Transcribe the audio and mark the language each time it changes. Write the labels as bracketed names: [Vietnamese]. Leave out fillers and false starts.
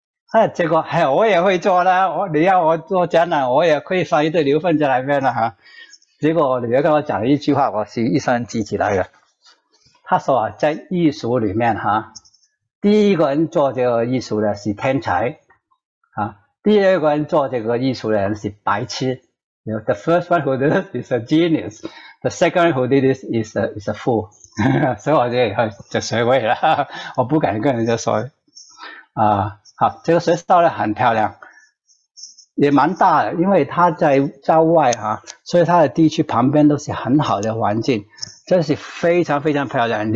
[Chinese] 哎，结果哎，我也会做啦，你要我做展览，我也可以放一堆牛粪在那边了哈。结果女儿跟我讲了一句话，我是一生记起来的。他说啊，在艺术里面哈，第一个人做这个艺术的是天才啊，第二个人做这个艺术的人是白痴。 [English] You know, the first one who did it is a genius. The second one who did it is a fool. [Chinese] 所以我就学会了，我不敢跟人家说啊。好，这个学校呢很漂亮，也蛮大的，因为它在郊外啊，所以它的地区旁边都是很好的环境，这是非常非常漂亮。